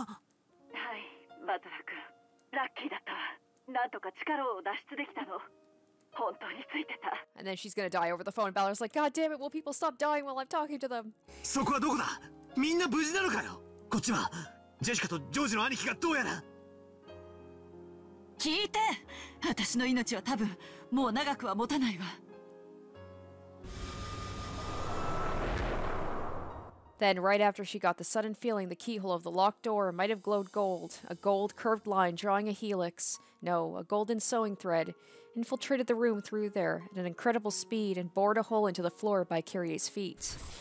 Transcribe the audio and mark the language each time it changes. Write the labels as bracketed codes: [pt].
[ja] はい、バトラ君、ラッキーだったわ。なんとか力を脱出できたの。本当についてた。 [en] And then she's gonna die over the phone. Balor's like, God damn it, will people stop dying while I'm talking to them? [ja] そこはどこだ？みんな無事なのかよ？こっちはジェシカとジョージの兄貴がどうやら。聞いて、私の命は多分もう長くは持たないわ。 [en] Then, right after she got the sudden feeling the keyhole of the locked door might have glowed gold, a gold curved line drawing a helix, no, a golden sewing thread, infiltrated the room through there at an incredible speed and bored a hole into the floor by Kirie's feet.